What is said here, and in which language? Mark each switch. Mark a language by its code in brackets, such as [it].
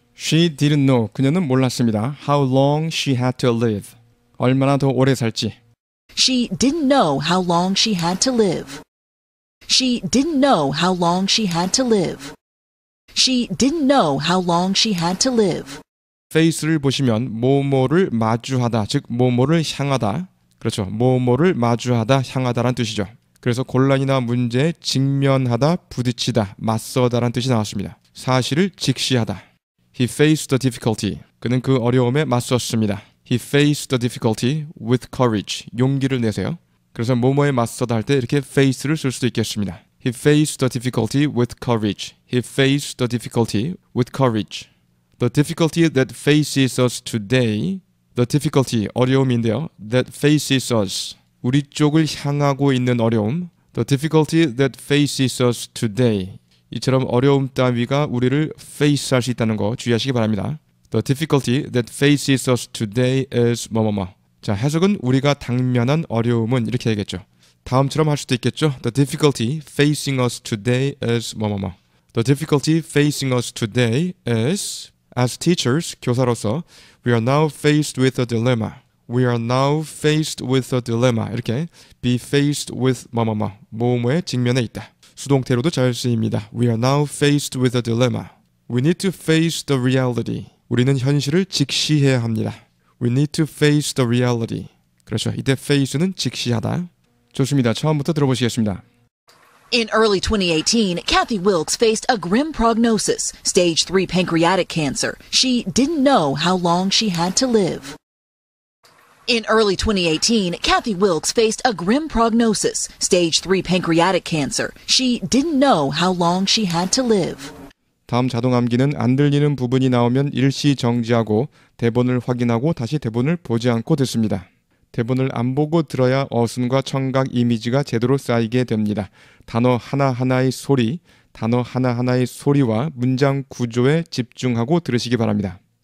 [en] She didn't know. [ko] 그녀는 몰랐습니다. [en] How long she had to live. [ko] 얼마나 더 오래 살지. [en] She didn't know how long she had to live. She didn't know how long she had to live. She didn't know how long she had to live. [ko] Face를 보시면 뭐뭐를 마주하다, 즉 뭐뭐를 향하다. 그렇죠. 뭐뭐를 마주하다, 향하다란 뜻이죠. 그래서 곤란이나 문제에 직면하다, 부딪히다, 맞서다란 뜻이 나왔습니다. 사실을 직시하다. [en] He faced the difficulty. [ko] 그는 그 어려움에 맞섰습니다. [en] He faced the difficulty with courage. [ko] 용기를 내세요. 그래서 뭐뭐에 맞서다 할 때 이렇게 face를 쓸 수도 있겠습니다. [en] He faced the difficulty with courage. He faced the difficulty with courage. The difficulty that faces us today. The difficulty, [ko] 어려움인데요. [en] That faces us. [ko] 우리 쪽을 향하고 있는 어려움. [en] The difficulty that faces us today. [ko] 이처럼 어려움 따위가 우리를 face 할 수 있다는 거 주의하시기 바랍니다. [en] The difficulty that faces us today is [ko] 뭐뭐뭐. 자, 해석은 우리가 당면한 어려움은 이렇게 해야겠죠. 다음처럼 할 수도 있겠죠. [en] The difficulty facing us today is [ko] 뭐뭐뭐. [en] The difficulty facing us today is as teachers, [ko] 교사로서 [en] we are now faced with a dilemma. We are now faced with a dilemma. [ko] 이렇게 [en] be faced with [ko] 뭐뭐뭐. 뭐뭐에 직면해 있다. 수동태로도 잘 쓰입니다. [en] We are now faced with a dilemma. We need to face the reality. [ko] 우리는 현실을 직시해야 합니다. [en] We need to face the reality. [ko] 그렇죠. 이때 face는 직시하다. 좋습니다. 처음부터 들어보시겠습니다. [en] In early 2018, Kathy Wilkes faced a grim prognosis, stage 3 pancreatic cancer. She didn't know how long she had to live. In early 2018, Kathy Wilkes faced a grim prognosis, stage 3 pancreatic cancer. She didn't know how long she had to live. [ko] 다음 자동 암기는 안 들리는 부분이 나오면 일시 정지하고 대본을 확인하고 다시 대본을 보지 않고 듣습니다. 대본을 안 보고 들어야 어순과 청각 이미지가 제대로 쌓이게 됩니다. 단어 하나하나의 소리, 단어 하나하나의 소리와 문장 구조에 집중하고 들으시기 바랍니다.